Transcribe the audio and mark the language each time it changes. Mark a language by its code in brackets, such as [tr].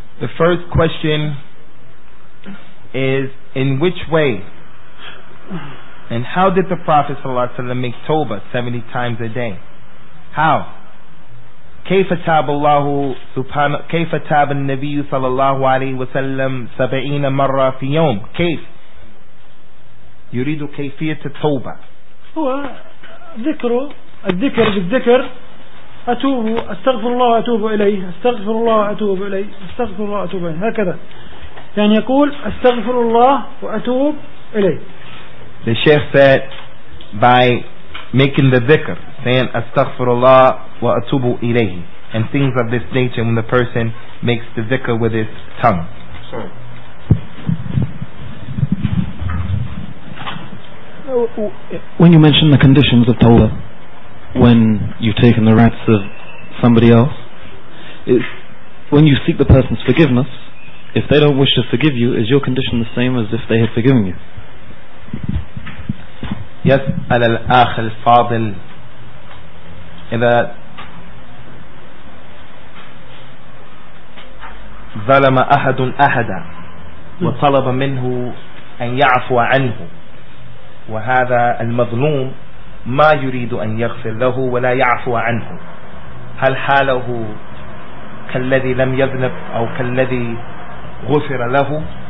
[en] The first question is, in which way and how did the Prophet sallallahu alaihi wasallam make Tawbah 70 times a day? How? [ar] كيف تاب الله سبحانه كيف تاب النبي صلى الله عليه وسلم 70 مرة في يوم؟ كيف يريد كيفية التوبة؟ هو ذكره الذكر بالذكر أتوب أستغفر الله أتوب إليه أستغفر الله أتوب إليه أستغفر الله أتوب إليه هكذا يعني يقول أستغفر الله وأتوب إليه. [en] The Sheikh said by making the dhikr, saying astaghfirullah wa atubu ilayhi, and things of this nature when the person makes the dhikr with his tongue. When you mention the conditions of tawbah, when you've taken the rights of somebody else, when you seek the person's forgiveness, if they don't wish to forgive you, is your condition the same as if they had forgiven you? [ar] يسأل الأخ الفاضل إذا ظلم أحد أحدا وطلب منه أن يعفو عنه وهذا المظلوم ما يريد أن يغفر له ولا يعفو عنه هل حاله كالذي لم يذنب أو كالذي غفر له؟